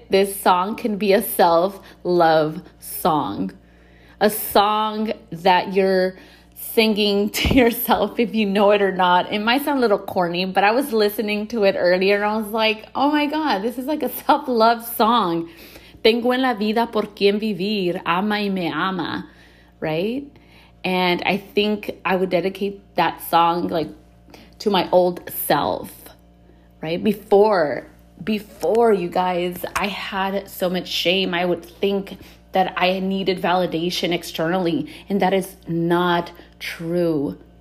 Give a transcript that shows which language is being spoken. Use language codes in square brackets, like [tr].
[en] This song can be a self-love song. A song that you're singing to yourself, if you know it or not. It might sound a little corny, but I was listening to it earlier, and I was like, oh my God, this is like a self-love song. [es] Tengo en la vida por quien vivir, ama y me ama, [en] right? And I think I would dedicate that song like to my old self, right? Before you guys, I had so much shame. I would think that I needed validation externally, and that is not true.